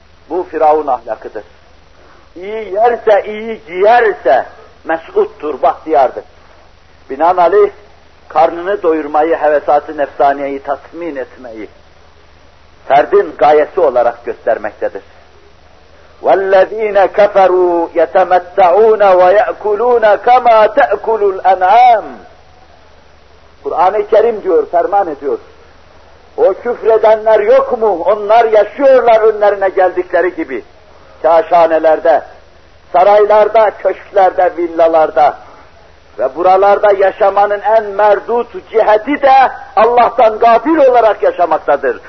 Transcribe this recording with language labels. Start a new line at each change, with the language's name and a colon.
Turkish: Bu Firavun ahlakıdır. İyi yerse, iyi giyerse mesuttur, bahtiyardır. Binaenaleyh karnını doyurmayı, hevesat-ı nefsaniyeyi tatmin etmeyi ferdin gayesi olarak göstermektedir.
Arabic: وَالَّذ۪ينَ كَفَرُوا يَتَمَتَّعُونَ وَيَأْكُلُونَ كَمَا تَأْكُلُ الْاَنْعَامِ
Turkish: Kur'an-ı Kerim diyor, ferman ediyor. O küfredenler yok mu? Onlar yaşıyorlar önlerine geldikleri gibi. Kaşanelerde, saraylarda, köşklerde, villalarda. Ve buralarda yaşamanın en merdut ciheti de Allah'tan gafil olarak yaşamaktadır.